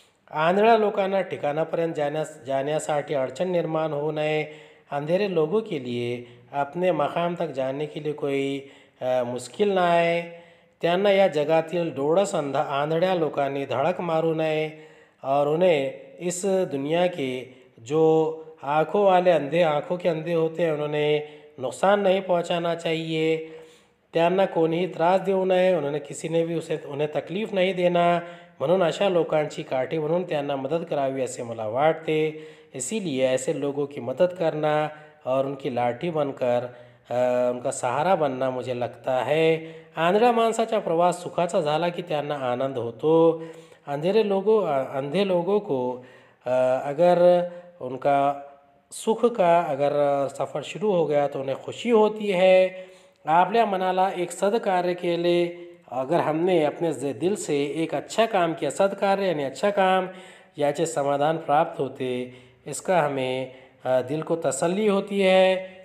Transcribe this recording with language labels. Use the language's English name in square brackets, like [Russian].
[Marathi] आंधळ्या लोकांना ठिकाणापर्यंत जाण्यासाठी अड़चन निर्माण हो नये, [Hindi] अंधेरे लोगों के लिए अपने मकाम तक जाने के लिए कोई मुश्किल ना आए, [Marathi] त्यांना या जगातील डोळस आंधळ्या लोकांनी धड़क मारू नये [Hindi] और उन्हें इस दुनिया के जो आँखों वाले अंधे आँखों के अंधे होते हैं उन्होंने नुकसान नहीं पहुँचाना चाहिए. [Marathi] त्यांना कोणीही त्रास देऊ नये, [Hindi] उन्होंने किसी ने भी उसे उन्हें तकलीफ नहीं देना. [Marathi] म्हणून अशा लोकांची काठी बनून त्यांना मदद करावी असे मला वाटते. [Hindi] इसीलिए ऐसे लोगों की मदद करना और उनकी लाठी बनकर उनका सहारा बनना मुझे लगता है. [Marathi] आंधळ्या माणसाचा प्रवास सुखाचा झाला की त्यांना आनंद होतो. [Hindi] अंधे लोगों को अगर उनका सुख का अगर सफ़र शुरू हो गया तो उन्हें खुशी होती है. [Marathi] आपल्या मनाला एक सदकार्य केले, [Hindi] अगर हमने अपने दिल से एक अच्छा काम किया, सदकार्य यानी अच्छा काम, [Marathi] याचे समाधान प्राप्त होते, [Hindi] इसका हमें दिल को तसल्ली होती है.